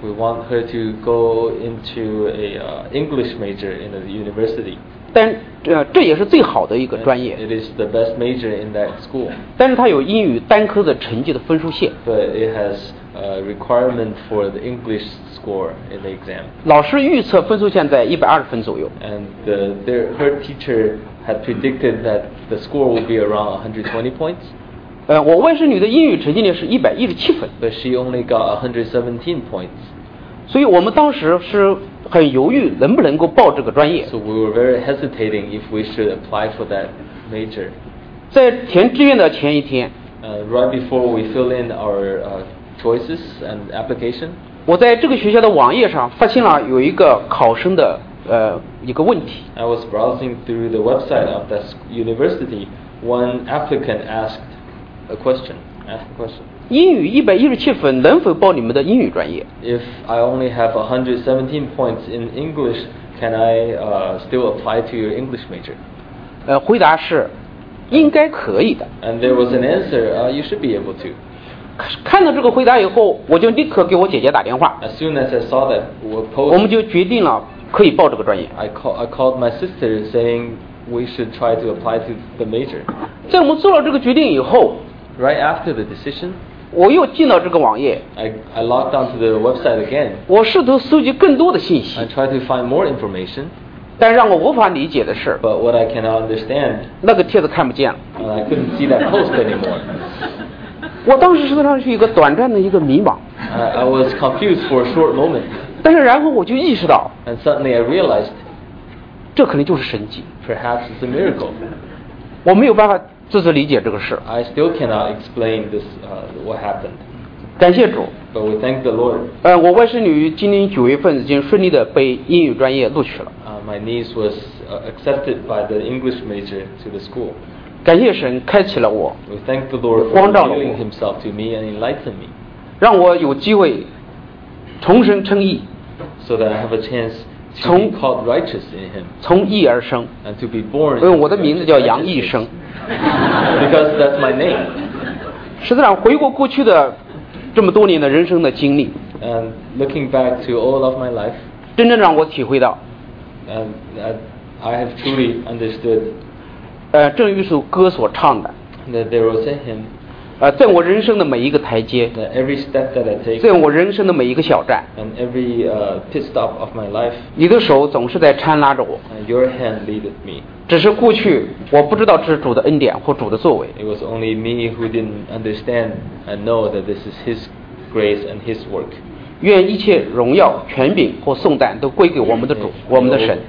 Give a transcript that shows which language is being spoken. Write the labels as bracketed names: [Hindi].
[English] We want her to go into a English major in a university. [Chinese] 但这也是最好的一个专业。 [English] It is the best major in that school. [Chinese] 但是它有英语单科的成绩的分数线。 [English] But it has a requirement for the English score in the exam. [Chinese] 老师预测分数线在120分左右。 [English] And her teacher had predicted that the score would be around 120 points. [Chinese] 我外甥女的英语成绩呢是117分 [English] but she only got 117 points [Chinese] 所以我们当时是很犹豫能不能够报这个专业 [English] so we were very hesitating if we should apply for that major [Chinese] 在填志愿的前一天 [English] right before we fill in our choices and application [Chinese] 我在这个学校的网页上发现了有一个考生的一个问题 [English] I was browsing through the website of that university one applicant askedA question. Ask a question. [Chinese] 英语一百一十七分能否报你们的英语专业 [English] ？If I only have 117 points in English, can I still apply to your English major? [Chinese] 回答是应该可以的。 [English] And there was an answer. You should be able to. [Chinese] 看到这个回答以后，我就立刻给我姐姐打电话。 [English] As soon as I saw that, [Chinese] 我们就决定了可以报这个专业。 [English] I called my sister saying. We should try to apply to the major. [Chinese] 在我们做了这个决定以后 [English] ，Right after the decision， [Chinese] 我又进了这个网页。 [English] I logged onto the website again. [Chinese] 我试图搜集更多的信息。 [English] I tried to find more information. [Chinese] 但让我无法理解的是 [English] ，But what I cannot understand， [Chinese] 那个帖子看不见了。 [English] I couldn't see that post anymore. [Chinese] 我当时实际上是一个短暂的一个迷茫。 [English] I was confused for a short moment. [Chinese] 但是然后我就意识到 [English] ，And suddenly I realized. [Chinese] 这可能就是神迹。 [English] Perhaps it's a miracle. [Chinese] 我没有办法自己理解这个事。 [English] I still cannot explain this, what happened. [Chinese] 感谢主。 [English] But we thank the Lord. [Chinese] 我外甥女今年九月份已经顺利的被英语专业录取了。 [English] My niece was accepted by the English major to the school. [Chinese] 感谢神开启了我。 [English] We thank the Lord for revealing himself to me and enlightening me. [Chinese] 让我有机会重生称义。 [English] So that I have a chance. To be called righteous in him. [Chinese] 从义而生 [English] And to be born [Chinese] 因为我的名字叫杨义生 [English] Because that's my name [Chinese] 实际上回顾过去的这么多年的人生的经历 [English] and looking back to all of my life, [Chinese] 真正让我体会到 [English] and I have truly understood, [Chinese] 正如一首歌所唱的 [English] that there was a hymn, [Chinese] 在我人生的每一个台阶 [English] that every step that I take, [Chinese] 在我人生的每一个小站 [English] and every pit stop of my life, [Chinese] 你的手总是在搀拉着我 [English] and your hand leaded me. [Chinese] 只是过去我不知道这是主的恩典或主的作为 [English] It was only me who didn't understand and know that this is his grace and his work [Chinese] 愿一切荣耀权柄或颂赞都归给我们的主我们的神